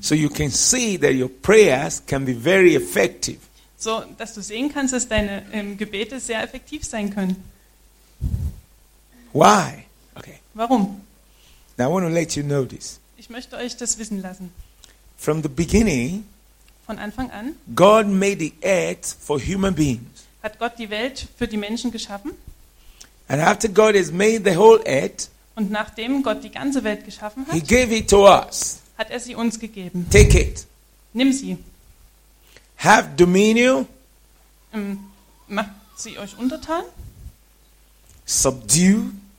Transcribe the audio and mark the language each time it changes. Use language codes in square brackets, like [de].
[en] So you can see that your prayers can be very effective. [de] So, dass du sehen kannst, dass deine Gebete sehr effektiv sein können. [en] Why? [de] Okay. Warum? [en] Now I want to let you know this. [de] Ich möchte euch das wissen lassen. [en] From the beginning, [de] von Anfang an, [en] God made the earth for human beings. [de] Hat Gott die Welt für die Menschen geschaffen? [en] And after God has made the whole earth, [de] und nachdem Gott die ganze Welt geschaffen hat, [en] he gave it to us. [de] Hat er sie uns gegeben. [en] Take it. [de] Nimm sie. [en] Have dominion. [de] Macht sie euch untertan. [en] Subdue.